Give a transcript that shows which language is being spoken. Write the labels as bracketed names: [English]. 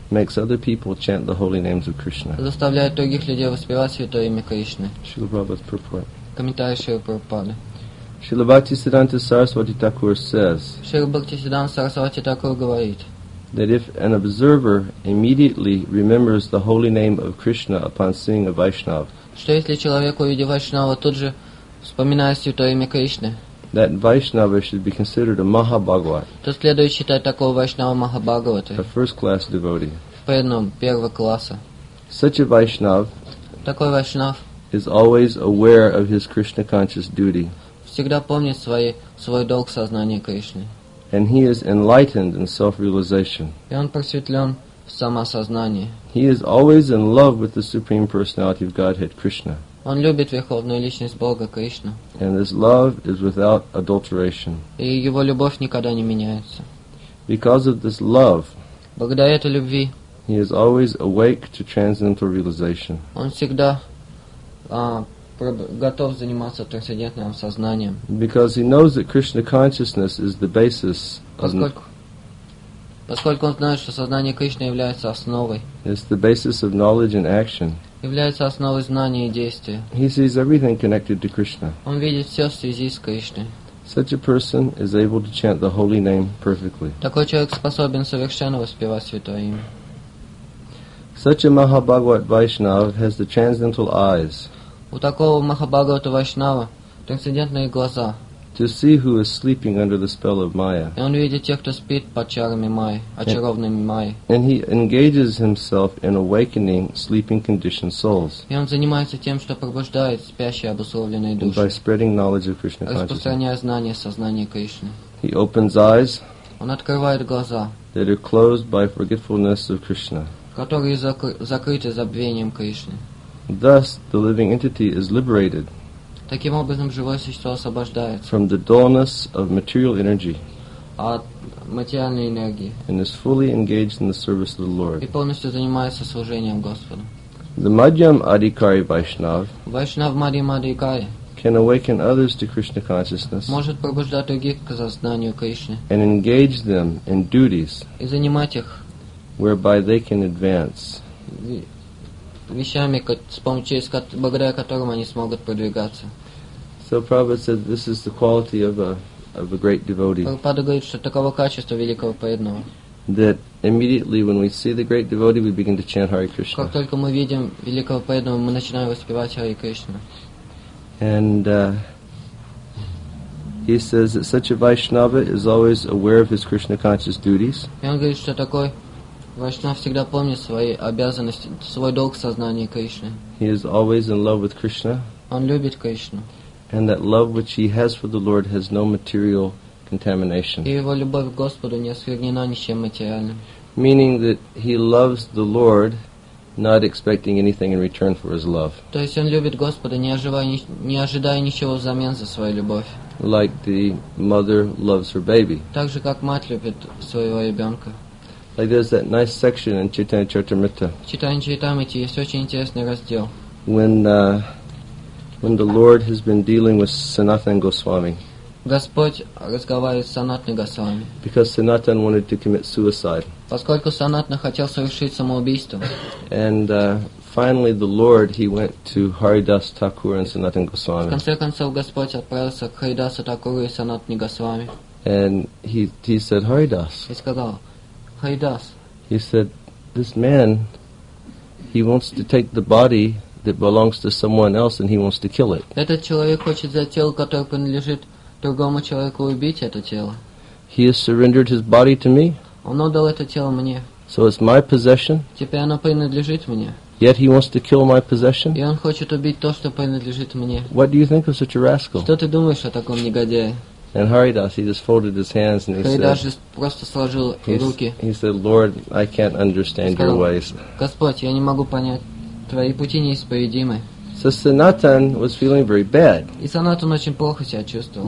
[English] makes other people chant the holy names of Krishna, [Russian] заставляет других людей воспевать святое имя Кришны. [English] Шрила Прабхупада's purport. [Russian] Комментарий Шрилы Прабхупады. [English] Srila Bhaktisiddhanta Saraswati Thakur says that if an observer immediately remembers the holy name of Krishna upon seeing a Vaishnava, that Vaishnava should be considered a Mahabhagavat, [Russian] то следует считать такого Вайшнава Махабхагавата, [English] a first class devotee. [Russian] Преданным первого класса. [English] Such a Vaishnav, [Russian] такой Вайшнав, [English] is always aware of his Krishna conscious duty. [Russian] Всегда помнит свой долг сознания Кришны. [English] And he is enlightened in self-realization. [Russian] И он просветлен в самосознании. [English] He is always in love with the Supreme Personality of Godhead, Krishna. [Russian] Он любит Верховную Личность Бога, Кришну. [English] And his love is without adulteration. [Russian] И его любовь никогда не меняется. [English] Because of this love, [Russian] благодаря этой любви, [English] he is always awake to transcendental realization. [Russian] Он всегда готов заниматься трансцендентным сознанием. [English] Because he knows that Krishna consciousness is the basis of [Russian] Поскольку он знает, что сознание Кришны является основой. [English] It's the basis of knowledge and action. [Russian] Является основой знания и действия. [English] He sees everything connected to Krishna. [Russian] Он видит все в связи с Кришной. [English] Such a person is able to chant the holy name perfectly. [Russian] Такой человек способен совершенно воспевать святое имя. [English] Such a Mahabhagavat Vaishnav has the transcendental eyes. [Russian] У такого Махабхагавата Вайшнава трансцендентные глаза. [English] To see who is sleeping under the spell of Maya. [Russian] И он видит тех, кто спит под чарами Майи, очарованными Майей. [English] And he engages himself in awakening sleeping conditioned souls. [Russian] И он занимается тем, что пробуждает спящие обусловленные души. [English] By spreading knowledge of Krishna consciousness. [Russian] Распространяя знания сознания Кришны. [English] He opens eyes. [Russian] Он открывает глаза. [English] That are closed by forgetfulness of Krishna. [Russian] Которые закрыты забвением Кришны. [English] Thus, the living entity is liberated. [Russian] Таким образом, живое существо освобождается [English] from the dullness of material energy. [Russian] От материальной энергии. [English] And is fully engaged in the service of the Lord. [Russian] И полностью занимается служением Господу. [English] The Madhyam Adhikari Vaishnav. [Russian] Vaishnav Madhyam Adhikari. [English] Can awaken others to Krishna consciousness. [Russian] Может пробуждать других к сознанию Кришны. [English] And engage them in duties. [Russian] И занимать их. [English] Whereby they can advance. [Russian] Вещами, благодаря которым они смогут продвигаться. [English] So Prabhupada said this is the quality of a great devotee. [Russian] Прабхупада говорит, что таково качество великого преданного. [English] That immediately when we see the great devotee, we begin to chant Hare Krishna. [Russian] Как только мы видим великого преданного, мы начинаем воспевать Hare Krishna. [English] And he says that such a Vaishnava is always aware of his Krishna conscious duties. [Russian] И он говорит, что такой Вайшнав всегда помнит свои обязанности, свой долг сознания Кришны. [English] He is always in love with Krishna. [Russian] Он любит Кришну. [English] And that love which he has for the Lord has no material contamination. [Russian] И его любовь к Господу не осквернена ничем материальным. [English] Meaning that he loves the Lord, not expecting anything in return for his love. [Russian] То есть он любит Господа, не ожидая ничего взамен за свою любовь. [English] Like the mother loves her baby. [Russian] Так же, как мать любит своего ребенка. [English] Like there's that nice section in Chaitanya Charitamrita. [Russian] Chaitanya Charitamrita есть очень интересный раздел. [English] When the Lord has been dealing with Sanatan Goswami. [Russian] Господь разговаривает с Санатаной Госвами. [English] Because Sanatan wanted to commit suicide. [Russian] Поскольку Санатана хотел совершить самоубийство. [English] And finally the Lord, he went to Haridas Thakur and Sanatan Goswami. [Russian] В конце концов Господь отправился к Харидасу Такуру и Санатане Госвами. [English] And he said, Haridas. [Russian] И сказал, Haridas. [English] He said, this man, he wants to take the body that belongs to someone else and he wants to kill it. [Russian] Этот человек хочет взять тело, которое принадлежит другому человеку, убить это тело. [English] He has surrendered his body to me. [Russian] Он отдал это тело мне. [English] So it's my possession. [Russian] Теперь оно принадлежит мне. [English] Yet he wants to kill my possession. [Russian] И он хочет убить то, что принадлежит мне. [English] What do you think of such a rascal? [Russian] Что ты думаешь о таком негодяе? [English] And Haridas, he just folded his hands and he said, Lord, I can't understand your ways. [Russian] Господь, я не могу понять. Твои пути неисповедимы. [English] So Sanatan was feeling very bad. [Russian] И Санатан очень плохо себя чувствовал.